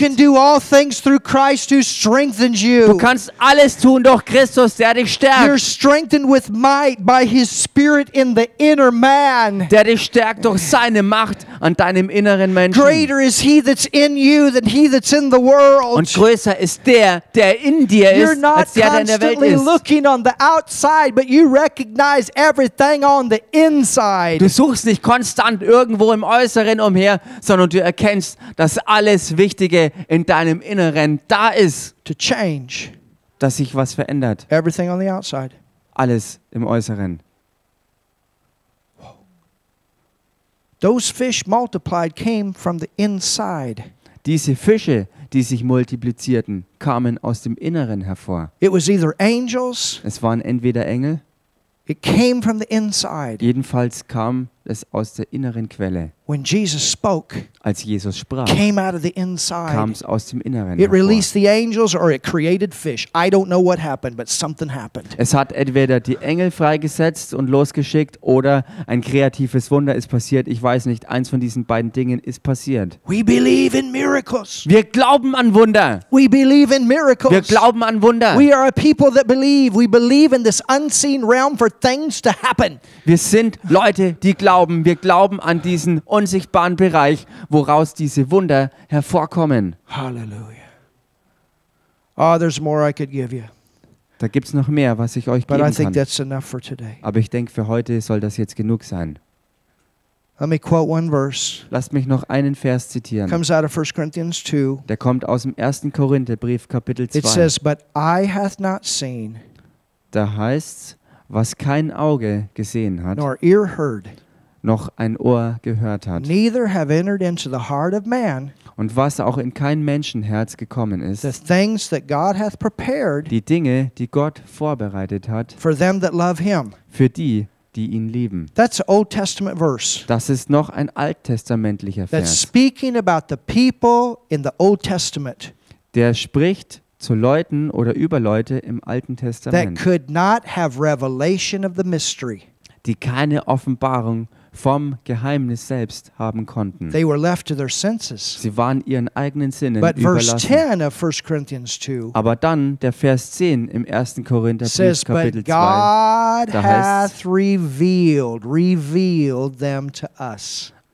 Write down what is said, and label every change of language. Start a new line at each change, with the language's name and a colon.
English: You can do all things through Christ who strengthens you.
German: Du kannst alles tun durch Christus, der dich stärkt.
English: You're strengthened with might by his spirit in the inner man.
German: Der dich stärkt durch seine Macht an deinem inneren Menschen.
English: Greater is he that's in you than he that's in the world.
German: Und größer ist der in dir ist,
English: You're not
German: als der, der in der Welt ist.
English: Constantly looking on the outside, but you recognize everything on the inside.
German: Du suchst nicht konstant irgendwo im Äußeren umher, sondern du erkennst, dass alles Wichtige in deinem Inneren da ist.
English: To change.
German: Dass sich was verändert.
English: Everything on the outside.
German: Alles im Äußeren.
English: Those fish multiplied came from the inside.
German: Diese Fische, die sich multiplizierten, kamen aus dem Inneren hervor.
English: It was either angels.
German: Es waren entweder Engel.
English: It came from the inside.
German: Jedenfalls kam es aus der inneren Quelle.
English: When Jesus spoke,
German: als Jesus sprach,
English: came out of the inside.
German: Kam es aus dem Inneren.
English: It released the angels or it created fish. I don't know what happened, but something happened.
German: Es hat entweder die Engel freigesetzt und losgeschickt oder ein kreatives Wunder ist passiert. Ich weiß nicht, eins von diesen beiden Dingen ist passiert.
English: We believe in miracles.
German: Wir glauben an Wunder.
English: We believe in miracles.
German: Wir glauben an Wunder.
English: We are a people that believe. We believe in this unseen realm for things to happen.
German: Wir sind Leute, die glauben. Wir glauben an diesen unsichtbaren Bereich, woraus diese Wunder hervorkommen.
English: Halleluja. Oh, there's more I could give you.
German: Da gibt's noch mehr, was ich euch geben kann.
English: But I think
German: kann.
English: That's enough for today.
German: Aber ich denke, für heute soll das jetzt genug sein.
English: Let me quote one verse.
German: Lasst mich noch einen Vers zitieren.
English: Comes out of 1 Corinthians 2.
German: Der kommt aus dem 1. Korintherbrief, Kapitel 2.
English: It says, but I hath not seen.
German: Da heißt's, was kein Auge gesehen hat,
English: nor ear heard,
German: noch ein Ohr gehört hat.
English: Neither have entered into the heart of man,
German: und was auch in kein Menschenherz gekommen ist,
English: the things that God hath prepared,
German: die Dinge, die Gott vorbereitet hat,
English: for them that love him,
German: für die, die ihn lieben.
English: That's an Old Testament verse.
German: Das ist noch ein alttestamentlicher Vers.
English: That's speaking about the people in the Old Testament.
German: Der spricht zu Leuten oder über Leute im Alten Testament.
English: That could not have revelation of the mystery.
German: Die keine Offenbarung vom Geheimnis selbst haben konnten.
English: They were left to their senses.
German: Sie waren ihren eigenen Sinnen
English: but
German: überlassen.
English: Verse 10 of 1 Corinthians 2,
German: aber dann der Vers 10 im 1. Korintherbrief Kapitel 2.
English: But God hath revealed them to us.